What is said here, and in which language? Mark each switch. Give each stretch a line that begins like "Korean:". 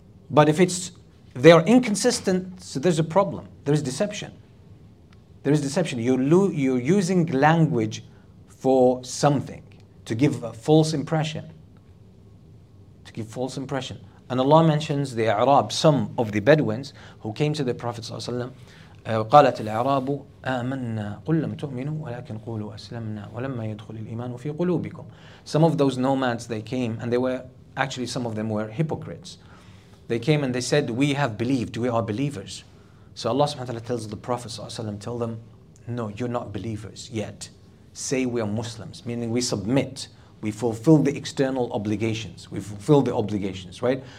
English: But if they are inconsistent, so there's a problem. There is deception. There is deception. You're using language for something, to give a false impression. To give false impression. And Allah mentions the Arab, some of the Bedouins who came to the Prophet ﷺ.
Arabic: قالت الأعراب آمنا قل لم تؤمنوا ولكن قولوا أسلمنا ولما يدخل الإيمان في قلوبكم.
English: Some of those nomads, they came, and they were actually, some of them were hypocrites. They came and they said, we have believed, we are believers. So Allah subhanahu wa ta'ala tells the Prophet sallallahu alaihi wasallam, tell them, no, you're not believers yet. Say we are Muslims, meaning we submit, we fulfill the external obligations, we fulfill the obligations, right?